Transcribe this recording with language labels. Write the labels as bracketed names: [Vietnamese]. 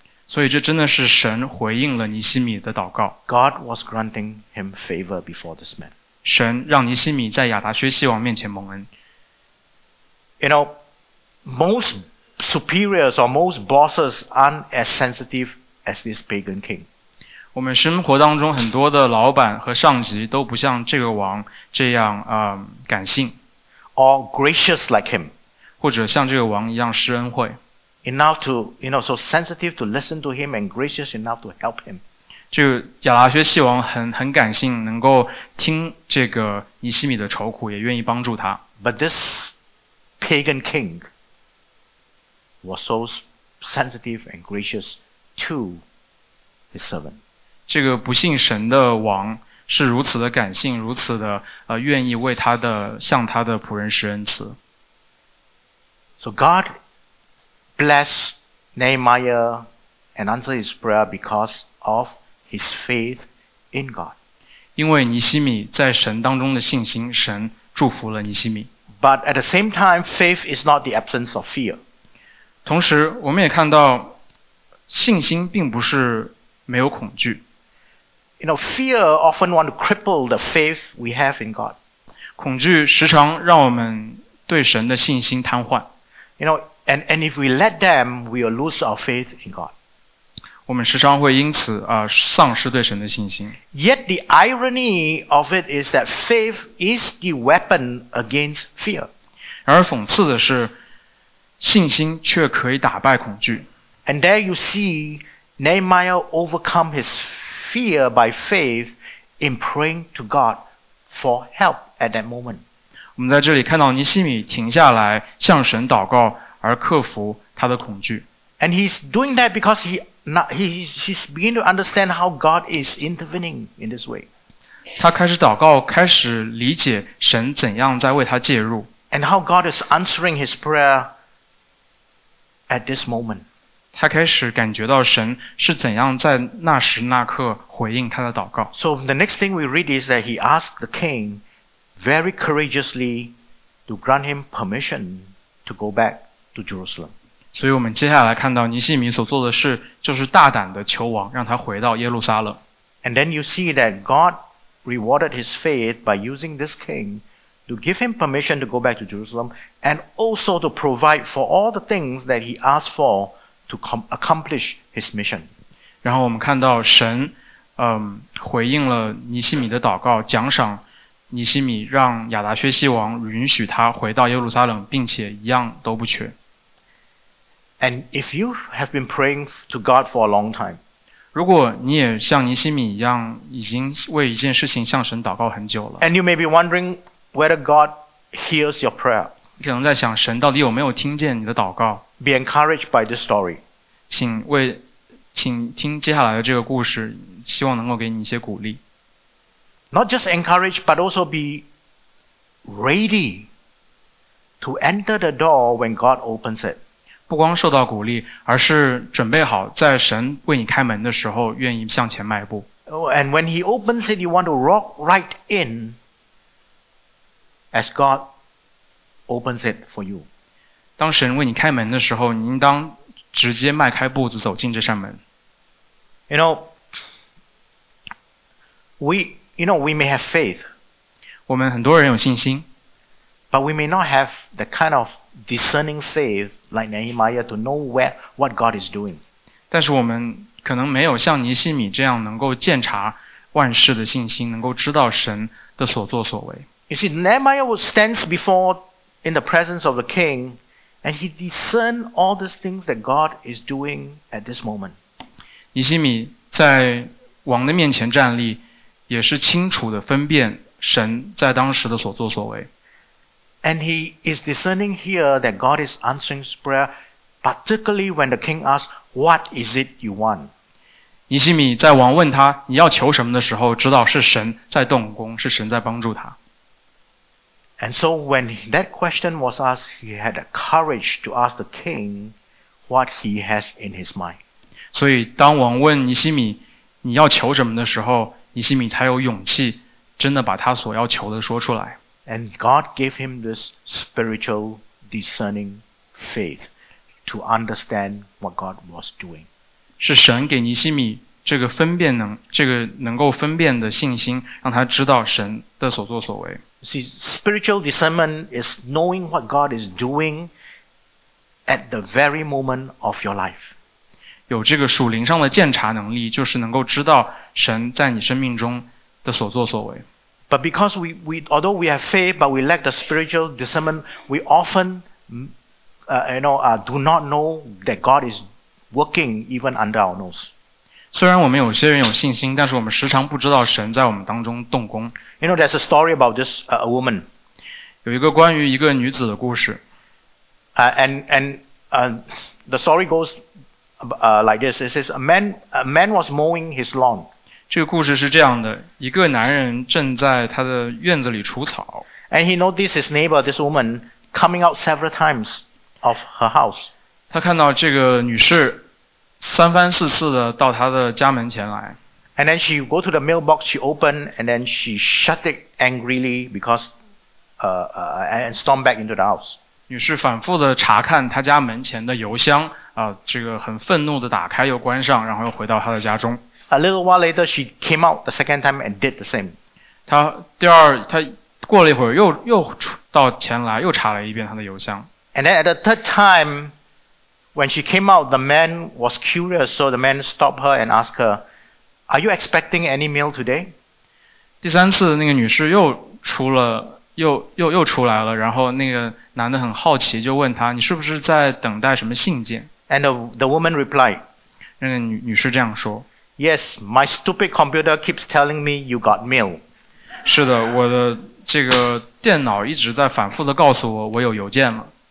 [Chinese] 所以这真的是神回应了尼西米的祷告。 [English] God was granting him favor before this man. [Chinese] 神让尼西米在亚达薛西王面前蒙恩。 [English] You know, most superiors or most bosses aren't as sensitive as this pagan king. [Chinese] 我们生活当中很多的老板和上级都不像这个王这样感性。 [English] Or gracious like him. [Chinese] 或者像这个王一样施恩惠。 [English] Enough to, you know, so sensitive to listen to him and gracious enough to help him. [Chinese] 这个亚达薛西王很感性，能够听这个尼西米的愁苦，也愿意帮助他。 [English] But this pagan king was so sensitive and gracious to his servant. [Chinese] 这个不信神的王是如此的感性，如此的愿意为他的向他的仆人施恩慈。 [English] So God blessed Nehemiah and answered his prayer because of his faith in God. [Chinese] 因为尼西米在神当中的信心，神祝福了尼西米。 [English] But at the same time, faith is not the absence of fear. [Chinese] 同时，我们也看到信心并不是没有恐惧。 [English] You know, fear often want to cripple the faith we have in God. [Chinese] 恐惧时常让我们对神的信心瘫痪。 [English] You know, and if we let them, we will lose our faith in God. [Chinese] 我们时常会因此丧失对神的信心。 [English] Yet the irony of it is that faith is the weapon against fear. [Chinese] 然而讽刺的是，信心却可以打败恐惧。 [English] And there you see Nehemiah overcome his fear by faith in praying to God for help at that moment. [Chinese] 我们在这里看到尼西米停下来向神祷告，而克服他的恐惧。 [English] And he's doing that because he's beginning to understand how God is intervening in this way. [Chinese] 他开始祷告，开始理解神怎样在为他介入。 [English] And how God is answering his prayer at this moment. [Chinese] 他开始感觉到神是怎样在那时那刻回应他的祷告。 [English] So the next thing we read is that he asked the king very courageously to grant him permission to go back to Jerusalem. [Chinese] 所以我们接下来看到尼西米所做的事就是大胆的求王让他回到耶路撒冷。 [English] And then you see that God rewarded his faith by using this king to give him permission to go back to Jerusalem and also to provide for all the things that he asked for. To accomplish his mission. [Chinese] 然后我们看到神回应了尼西米的祷告，奖赏尼西米，让亚达薛西王允许他回到耶路撒冷，并且一样都不缺。 [English] And if you have been praying to God for a long time, [Chinese] 如果你也像尼西米一样，已经为一件事情向神祷告很久了。 [English] And you may be wondering whether God hears your prayer. [Chinese] 可能在想神到底有没有听见你的祷告。 [English] Be encouraged by this story. [Chinese] 请听接下来的这个故事，希望能够给你一些鼓励。 [English] Not just encouraged, but also be ready to enter the door when God opens it. [Chinese] 不光受到鼓励，而是准备好在神为你开门的时候，愿意向前迈步。 [English] Oh, and when He opens it, you want to walk right in as God opens it for you. [Chinese] 当神为你开门的时候，你应当直接迈开步子走进这扇门。 [English] You know, we may have faith. [Chinese] 我们很多人有信心。 [English] But we may not have the kind of discerning faith like Nehemiah to know where, what God is doing. [Chinese] 但是我们可能没有像尼西米这样能够鉴察万事的信心，能够知道神的所作所为。 [English] You see, Nehemiah stands before in the presence of the king,And he discerned all these things that God is doing at this moment. [Chinese] 尼西米在王的面前站立，也是清楚地分辨神在当时的所作所为。 [English] And he is discerning here that God is answering his prayer, particularly when the king asks, "What is it you want?" [Chinese] 尼西米在王问他你要求什么的时候，知道是神在动工，是神在帮助他。 [English] And so when that question was asked, he had the courage to ask the king what he has in his mind. [Chinese] 所以当王问尼西米你要求什么的时候，尼西米才有勇气真的把他所要求的说出来。 [English] And God gave him this spiritual discerning faith to understand what God was doing. [Chinese] 是神给尼西米这个分辨能，这个能够分辨的信心，让他知道神的所作所为。 [English] See, spiritual discernment is knowing what God is doing at the very moment of your life. [Chinese] 有这个属灵上的鉴察能力，就是能够知道神在你生命中的所作所为。 [English] But because we although we have faith, but we lack the spiritual discernment, we often, do not know that God is working even under our nose. [Chinese] 虽然我们有些人有信心，但是我们时常不知道神在我们当中动工。 [English] You know, there's a story about this a woman. [Chinese] 有一个关于一个女子的故事。 [English] The story goes like this. It says a man was mowing his lawn. [Chinese] 这个故事是这样的，一个男人正在他的院子里除草。 [English] And he noticed his neighbor, this woman, coming out several times of her house. [Chinese] 他看到这个女士三番四次的到他的家门前来。 [English] And then she go to the mailbox, she open, and then she shut it angrily because, and storm back into the house. [Chinese] 女士反复的查看他家门前的邮箱，这个很愤怒的打开又关上，然后又回到他的家中。 [English] A little while later, she came out the second time and did the same. [Chinese] 她过了一会儿又到前来，又查了一遍她的邮箱。 [English] And then at the third time, when she came out, the man was curious, so the man stopped her and asked her, "Are you expecting any mail today?" [Chinese] 第三次，那个女士又出来了，然后那个男的很好奇，就问她，你是不是在等待什么信件？ [English] And the woman replied, [Chinese] 那个女士这样说。 [English] Yes, my stupid computer keeps telling me you got mail. [Chinese] 是的，我的这个电脑一直在反复的告诉我，我有邮件了。